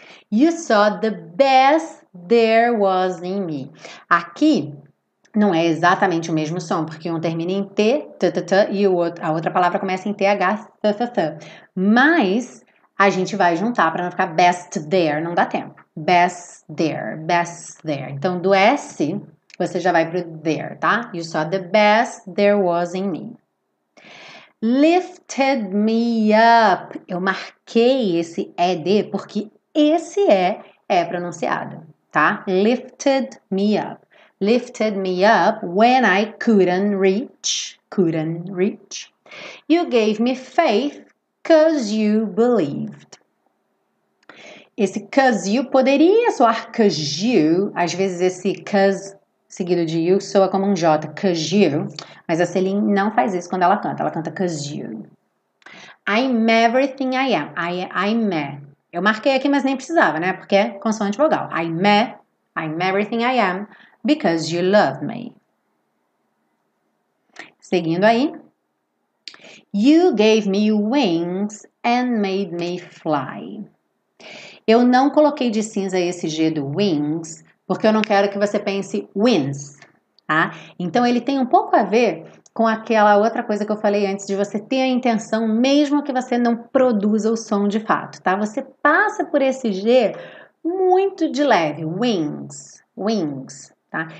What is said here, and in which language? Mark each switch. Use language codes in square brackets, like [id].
[en] You saw the best there was in me. [pt] Aqui não é exatamente o mesmo som, porque um termina em T, t, t, t, e o outro, a outra palavra começa em TH, t, t, t. Mas a gente vai juntar para não ficar best there, não dá tempo. Best there, best there. Então, do S, você já vai pro there, tá? [en] You saw the best there was in me. Lifted me up. [pt] Eu marquei esse ED porque esse é pronunciado, tá? [en] Lifted me up. Lifted me up when I couldn't reach. Couldn't reach. You gave me faith because you believed. [pt] Esse 'cause you poderia soar 'cause you. Às vezes esse 'cause seguido de you soa como um J. 'Cause you. Mas a Celine não faz isso quando ela canta. Ela canta 'cause you. [en] I'm everything I am. I'm me. [pt] Eu marquei aqui, mas nem precisava, né? Porque é consoante vogal. I'm everything I am because you love me. Seguindo aí. [en] You gave me wings and made me fly. [pt] Eu não coloquei de cinza esse G do wings, porque eu não quero que você pense wins, tá? Então, ele tem um pouco a ver com aquela outra coisa que eu falei antes, de você ter a intenção, mesmo que você não produza o som de fato, tá? Você passa por esse G muito de leve, wings, wings, tá?